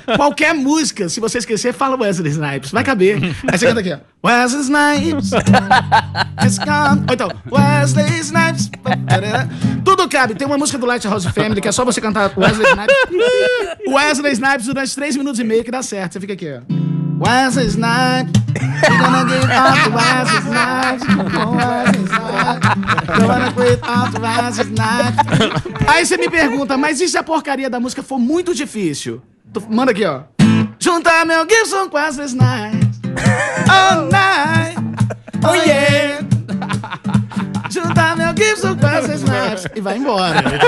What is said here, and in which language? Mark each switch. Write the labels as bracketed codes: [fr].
[pt] Qualquer música, se você esquecer, fala Wesley Snipes. Vai caber. Aí você canta aqui, ó. Wesley Snipes. Ou então, Wesley Snipes. Tudo cabe. Tem uma música do Lighthouse Family que é só você cantar Wesley Snipes. Wesley Snipes durante 3 minutos e meio que dá certo. Você fica aqui, ó. Wesley Snipes. [en] We're gonna give up the Wesley Snipes. Wesley Snipes. We're gonna quit up the Wesley Snipes. [pt] Aí você me pergunta, mas e se a porcaria da música for muito difícil? Manda aqui, ó. Juntar meu Gibson com Wesley Snipes. [en] All night, oh yeah. [pt] Juntar meu Gibson com essas snaps e vai embora.